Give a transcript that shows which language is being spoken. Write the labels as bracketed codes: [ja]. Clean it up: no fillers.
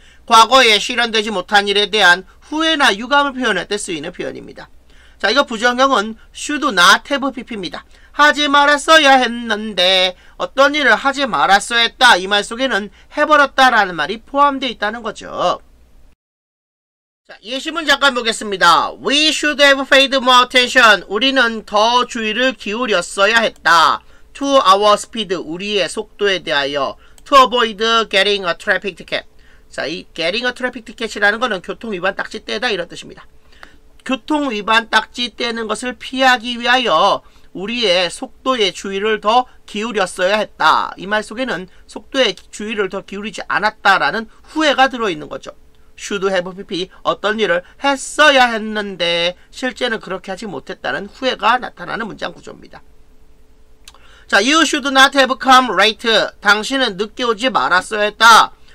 [ko] 과거에 실현되지 못한 일에 대한 후회나 유감을 표현할 때 쓰이는 표현입니다. 자, 이거 부정형은 should not have pp입니다. 하지 말았어야 했는데, 어떤 일을 하지 말았어야 했다. 이 말 속에는 해버렸다라는 말이 포함되어 있다는 거죠. 자, 예시문 잠깐 보겠습니다. [en] We should have paid more attention. [ko] 우리는 더 주의를 기울였어야 했다. [en] To our speed, [ko] 우리의 속도에 대하여. [en] To avoid getting a traffic ticket. [ko] 자, 이 getting a traffic ticket이라는 것은 교통위반 딱지 떼다 이런 뜻입니다. 교통위반 딱지 떼는 것을 피하기 위하여 우리의 속도에 주의를 더 기울였어야 했다. 이 말 속에는 속도에 주의를 더 기울이지 않았다라는 후회가 들어있는 거죠. should have pp 어떤 일을 했어야 했는데 실제는 그렇게 하지 못했다는 후회가 나타나는 문장 구조입니다. [en] 자, you should not have come late. [ko] 당신은 늦게 오지 말았어야 했다.